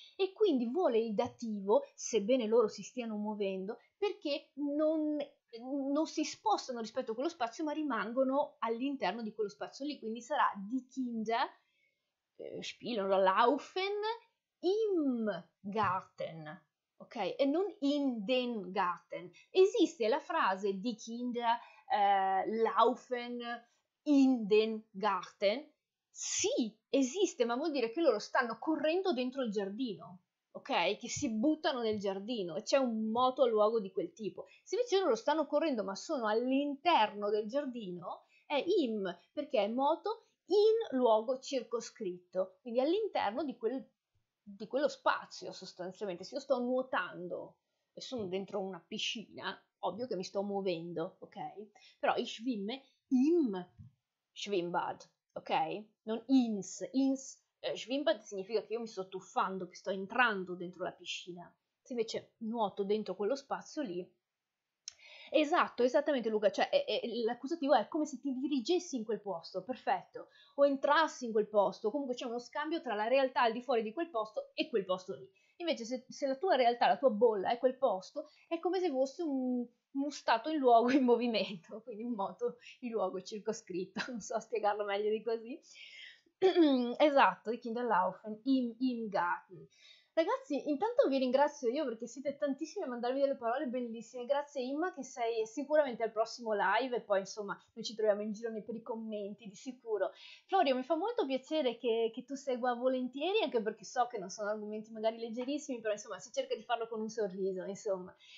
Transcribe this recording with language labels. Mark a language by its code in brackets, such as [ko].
[it] E quindi vuole il dativo, sebbene loro si stiano muovendo, perché non si spostano rispetto a quello spazio, ma rimangono all'interno di quello spazio lì, quindi sarà [de] die Kinder spielen oder laufen im Garten, [it] ok? E non [de] in den Garten. [it] Esiste la frase [de] die Kinder laufen in den Garten? [it] Sì, esiste, ma vuol dire che loro stanno correndo dentro il giardino. Ok? Che si buttano nel giardino e c'è un moto a luogo di quel tipo. Se invece loro stanno correndo ma sono all'interno del giardino, è im, perché è moto in luogo circoscritto, quindi all'interno di quello spazio sostanzialmente. Se io sto nuotando e sono dentro una piscina, ovvio che mi sto muovendo, ok? Però [de] ich schwimme im Schwimmbad, ok? [it] Non [de] ins, ins. [it] Schwimmbad significa che io mi sto tuffando, che sto entrando dentro la piscina. Se invece nuoto dentro quello spazio lì... Esatto, esattamente Luca, cioè l'accusativo è come se ti dirigessi in quel posto, perfetto. O entrassi in quel posto, comunque c'è uno scambio tra la realtà al di fuori di quel posto lì. Invece se la tua realtà, la tua bolla è quel posto, è come se fosse uno stato in luogo in movimento, quindi un moto in luogo circoscritto, non so spiegarlo meglio di così. Esatto, i [de] Kinderlaufen, im Garten. [it] Ragazzi, intanto vi ringrazio io perché siete tantissimi a mandarmi delle parole bellissime. Grazie Imma, che sei sicuramente al prossimo live e poi insomma noi ci troviamo in giro per i commenti, di sicuro. Florio, mi fa molto piacere che tu segua volentieri, anche perché so che non sono argomenti magari leggerissimi, però insomma si cerca di farlo con un sorriso, insomma.